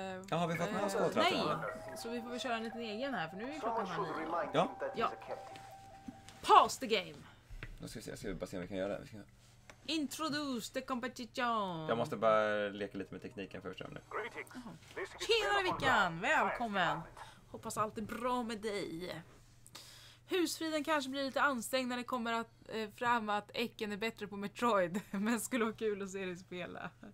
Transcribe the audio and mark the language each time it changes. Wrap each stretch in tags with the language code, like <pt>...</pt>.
<sv>Ja, har vi fått med oss kodtratten? Nej, så vi får väl köra en liten egen här, för nu är vi klockan här nio. Ja. Ja.</sv> <en>Pause the game.</en> <sv>Nu ska vi se, jag ska bara se om vi kan göra det. Ska...</sv> <en>Introduce the competition.</en> <sv>Jag måste bara leka lite med tekniken först. Tjena, Vickan. Välkommen. Hoppas allt är bra med dig. Husfriden kanske blir lite ansträngd när det kommer att, fram att äcken är bättre på Metroid. Men skulle vara kul att se dig spela.</sv>